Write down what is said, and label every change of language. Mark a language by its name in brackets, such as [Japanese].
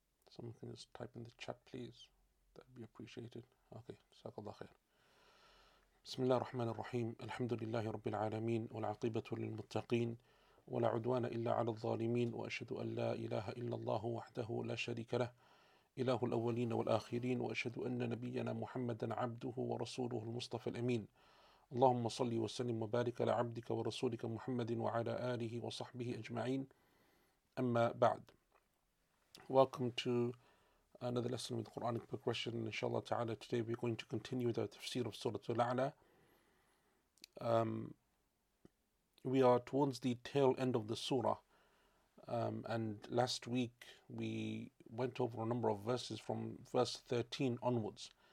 [English] Someone can just type in the chat, please. That'd be appreciated. Okay, [Arabic] جزاك الله خير. بسم الله الرحمن الرحيم. الحمد لله رب العالمين والعاقبة للمتقين ولا عدوان إلا على الظالمين وأشهد أن لا إله إلا الله وحده لا شريك له إله الأولين والآخرين وأشهد أن نبينا محمدا عبده ورسوله المصطفى الأمين. اللهم صل وسلم وبارك على عبدك ورسولك محمد وعلى آله وصحبه أجمعين. أما بعد. [English] Welcome to another lesson with the Quranic progression. Inshallah ta'ala, today we're going to continue the tafsir of Surah Al-A'la. We are towards the tail end of the surah. And last week we went over a number of verses from verse 13 onwards.